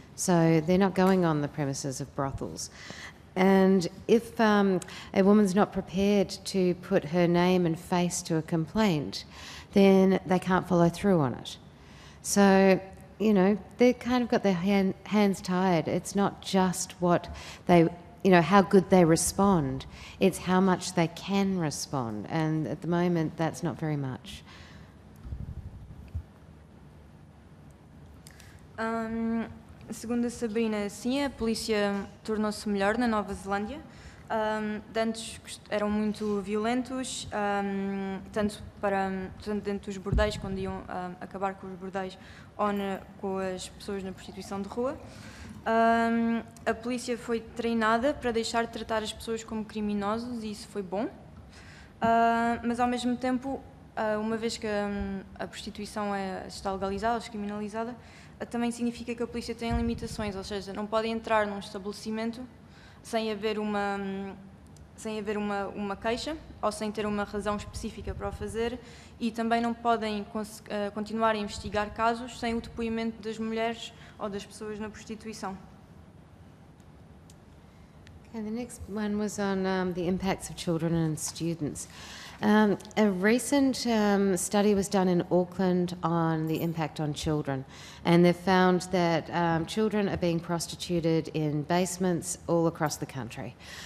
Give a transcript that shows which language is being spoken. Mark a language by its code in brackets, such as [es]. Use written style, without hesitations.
[en] So they're not going on the premises of brothels. And if a woman's not prepared to put her name and face to a complaint, then they can't follow through on it. So you know, they've kind of got their hands tied. It's not just what they, you know, how good they respond. It's how much they can respond. And at the moment, that's not very much. [pt] Segundo a Sabrina, sim, a polícia tornou-se melhor na Nova Zelândia. Antes eram muito violentos, tanto dentro dos bordéis, quando iam acabar com os bordéis, com as pessoas na prostituição de rua. A polícia foi treinada para deixar de tratar as pessoas como criminosos e isso foi bom. Mas ao mesmo tempo, uma vez que a prostituição está legalizada, descriminalizada, também significa que a polícia tem limitações, ou seja, não pode entrar num estabelecimento sem haver uma queixa ou sem ter uma razão específica para o fazer, e também não podem continuar a investigar casos sem o depoimento das mulheres ou das pessoas na prostituição. [en] Okay, the next one was on the impacts of children and students. A recent study was done in Auckland on the impact on children, and they've found that children are being prostituted in basements all across the country.